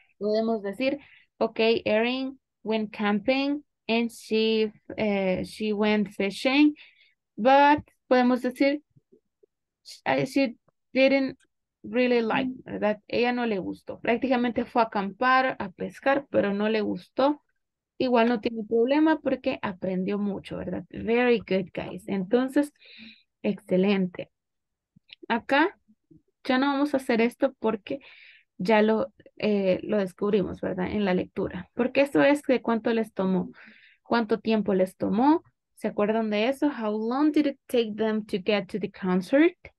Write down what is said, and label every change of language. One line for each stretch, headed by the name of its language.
Spanish: Podemos decir,
English: okay, Erin went camping and she went fishing, but
Spanish: podemos decir,
English: she didn't really like,
Spanish: ¿verdad? Ella no le gustó. Prácticamente fue a acampar, a pescar, pero no le gustó. Igual no tiene problema porque aprendió mucho, ¿verdad?
English: Very good, guys.
Spanish: Entonces, excelente. Acá ya no vamos a hacer esto porque ya lo descubrimos, ¿verdad? En la lectura. Porque eso es de cuánto les tomó, cuánto tiempo les tomó. ¿Se acuerdan de eso?
English: How long did it take them to get to the concert?